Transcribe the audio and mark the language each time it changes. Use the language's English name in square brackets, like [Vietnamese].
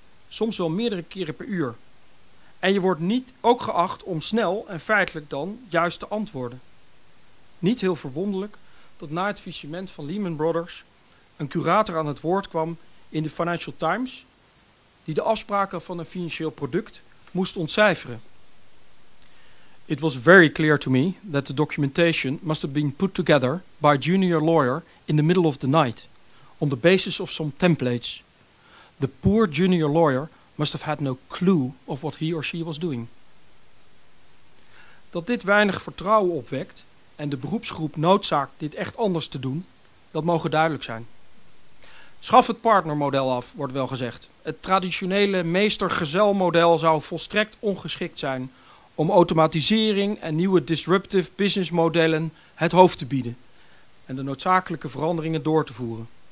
[Dutch] Soms wel meerdere keren per uur. En je wordt niet ook geacht om snel en feitelijk dan juist te antwoorden. Niet heel verwonderlijk dat na het faillissement van Lehman Brothers een curator aan het woord kwam in de Financial Times die de afspraken van een financieel product moest ontcijferen. [English] It was very clear to me that the documentation must have been put together by a junior lawyer in the middle of the night on the basis of some templates. The poor junior lawyer must have had no clue of what he or she was doing. [Dutch] Dat dit weinig vertrouwen opwekt en de beroepsgroep noodzaakt dit echt anders te doen, dat mogen duidelijk zijn. Schaf het partnermodel af, wordt wel gezegd. Het traditionele meester-gezelmodel zou volstrekt ongeschikt zijn om automatisering en nieuwe disruptive business modellen het hoofd te bieden en de noodzakelijke veranderingen door te voeren.